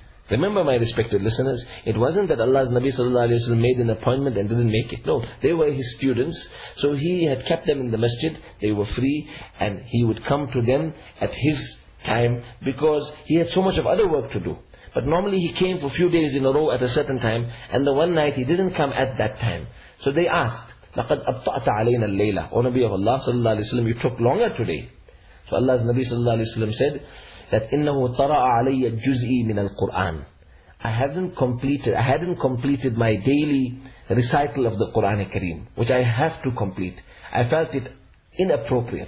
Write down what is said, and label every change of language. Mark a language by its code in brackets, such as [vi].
[en] Remember, my respected listeners, it wasn't that Allah's Nabi sallallahu alayhi wa sallam made an appointment and didn't make it. No, they were his students, so he had kept them in the masjid, they were free, and he would come to them at his time because he had so much of other work to do. But normally he came for a few days in a row at a certain time, and the one night he didn't come at that time. So they asked, [ar] لَقَدْ أَبْطَأْتَ عَلَيْنَا اللَّيْلَةَ. [en] O Nabi of Allah sallallahu alayhi wa sallam, you took longer today. So Allah's Nabi sallallahu alayhi wa sallam said that [ar] إِنَّهُ طَرَأَ عَلَيَّ جُزْئِي مِنَ الْقُرْآنِ. [en] I hadn't completed my daily recital of the Qur'an al-Kareem, which I have to complete. I felt it inappropriate.